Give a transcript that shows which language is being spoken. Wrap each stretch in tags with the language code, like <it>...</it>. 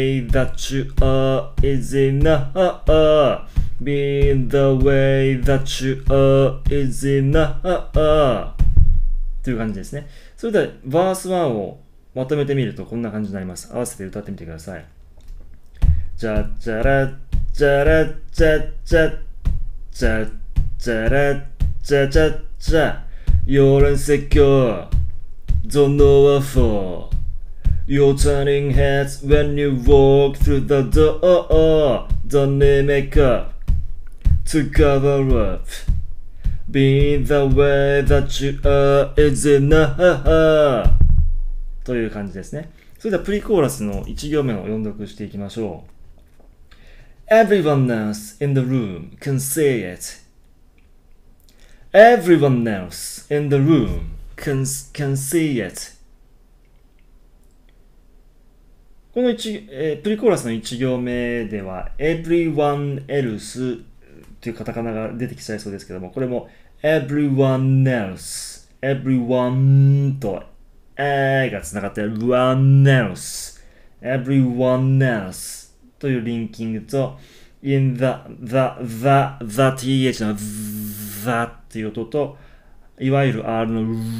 <en>that you are is enough</en> <ja>という感じですね。それではバース1をまとめてみるとこんな感じになります。合わせて歌ってみてください。じゃじゃらじゃらじゃじゃじゃじゃらじゃじゃじゃ。</ja> <en>よるん説教。Don't know what for。 You're turning heads when you walk through the door. Don't need makeup to cover up. Being the way that you are is enough.</en> <ja>という感じですね。それではプリコーラスの1行目を音読していきましょう。</ja> <en>Everyone else in the room can say it. Everyone else in the room can say it.</en> <ja>この1プリコーラスの1行目では everyone else というカタカナが出てきちゃいそうですけども、これも everyone else、 everyone と a がつながって one else、 everyone else というリンキングと in the th の the という音といわゆる r の</ja>